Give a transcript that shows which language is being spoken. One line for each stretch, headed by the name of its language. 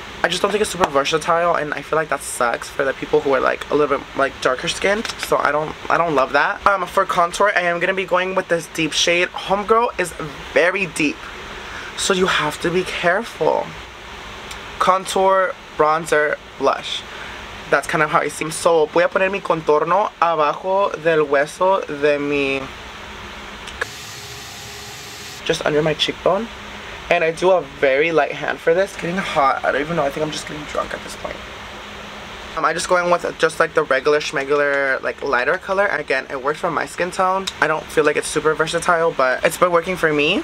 English: I just don't think it's super versatile, and I feel like that sucks for the people who are like a little bit like darker skin, so I don't love that. For contour, I am gonna be going with this deep shade. Homegirl is very deep, so you have to be careful. Contour, bronzer, blush. That's kind of how it seems.
Spanish: So, voy a poner mi contorno abajo del hueso de mi...
English: just under my cheekbone. And I do a very light hand for this. Getting hot. I don't even know. I think I'm just getting drunk at this point. I just go in with just like the regular schmegler, like lighter color. Again, it works for my skin tone. I don't feel like it's super versatile, but it's been working for me.